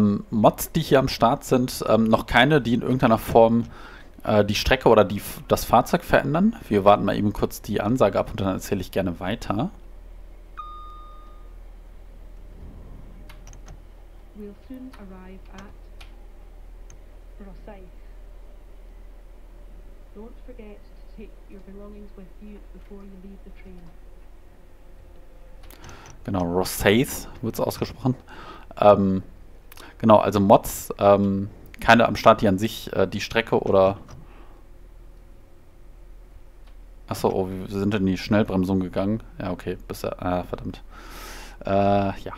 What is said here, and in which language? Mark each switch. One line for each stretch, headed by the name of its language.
German: Mods, die hier am Start sind, noch keine, die in irgendeiner Form die Strecke oder das Fahrzeug verändern. Wir warten mal eben kurz die Ansage ab und dann erzähle ich gerne weiter.
English: We'll soon arrive at Rosyth. Don't forget to take your belongings with you before you leave the train.
German: Genau, Rosyth wird es ausgesprochen. Genau, also Mods, keine am Start, die an sich die Strecke oder... Achso, oh, wir sind in die Schnellbremsung gegangen. Ja, okay, bisher... Ah, verdammt. Ja. Ja.